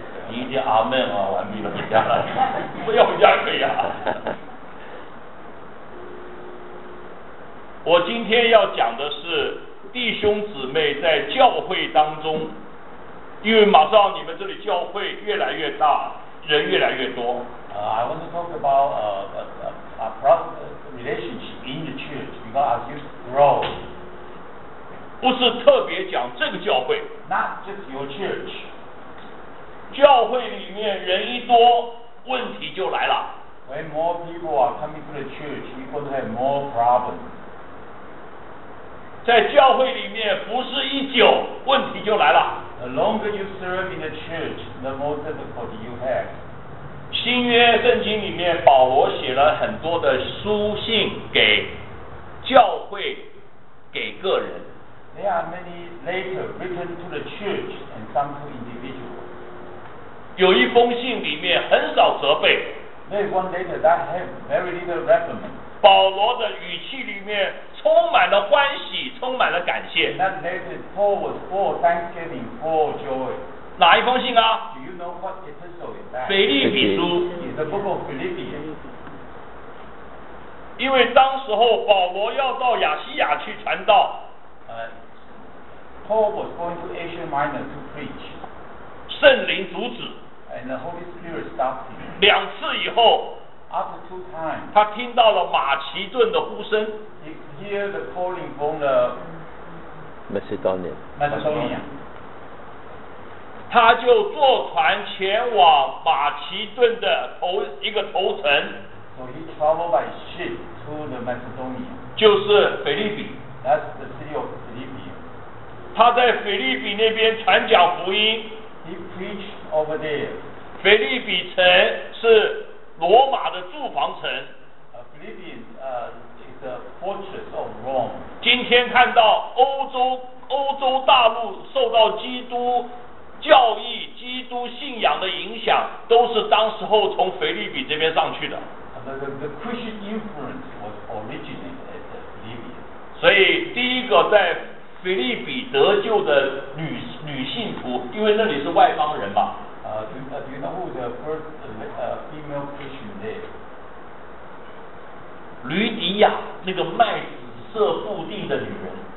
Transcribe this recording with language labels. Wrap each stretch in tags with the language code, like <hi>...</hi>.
<zh>你一听 Amen 啊，完毕了，回家了，不要回家可以啊。我今天要讲的是弟兄姊妹在教会当中，因为马上你们这里教会越来越大，人越来越多。</zh> <en>I want to talk about a relationship in the church because as you grow,</en> <zh>不是特别讲这个教会</zh> <en>，not just your church.</en> <zh>教会里面人一多，问题就来了。</zh> <en>When more people are coming to the church, you're going to have more problems.</en> <zh>在教会里面服侍一久，问题就来了。</zh> <en>The longer you serve in the church, the more difficulty you have.</en> <zh>新约圣经里面，保罗写了很多的书信给教会，给个人。</zh> <en>There are many letters written to the church and some to individuals.</en> <zh>有一封信里面很少责备。</zh> <en>There's one letter that has very little reprimand.</en> <zh>保罗的语气里面充满了欢喜，充满了感谢。</zh> <en>That letter Paul was full of thanksgiving, full of joy.</en> <zh>哪一封信啊？</zh> <en>Do you know what epistle is that?</en> <zh>腓立比书。</zh> <en>It's the book of Philippians.</en> <zh>因为当时候保罗要到亚细亚去传道。</zh> <en>Paul was going to Asia Minor to preach.</en> <zh>圣灵阻止。</zh> <en>And the Holy Spirit stopped him.</en> <zh>两次以后。</zh> <en>After two times,</en> <zh>他听到了马其顿的呼声。</zh> <en>He hear the calling from the Macedonia. Macedonia.</en> <zh>他就坐船前往马其顿的头一个头城。</zh> <en>So he traveled by ship to the Macedonia.</en> <zh>就是腓立比。</zh> <en>That's the city of Philippi.</en> <zh>他在腓立比那边传讲福音。</zh> <en>He preached over there.</en> <zh>腓立比城是。罗马的住房城</zh> <en>Philippians is a fortress of Rome.</en> <zh>今天看到欧洲大陆受到基督教义基督信仰的影响，都是当时候从腓立比这边上去的。</zh> <en>The Christian influence was originated at Philippi.</en> <zh>所以第一个在腓立比得救的 女信徒，因为那里是外邦人嘛。</zh> <en>Do you know who the first female Christian there?</en> <zh>吕迪亚，那个卖紫色布地的女人。</zh>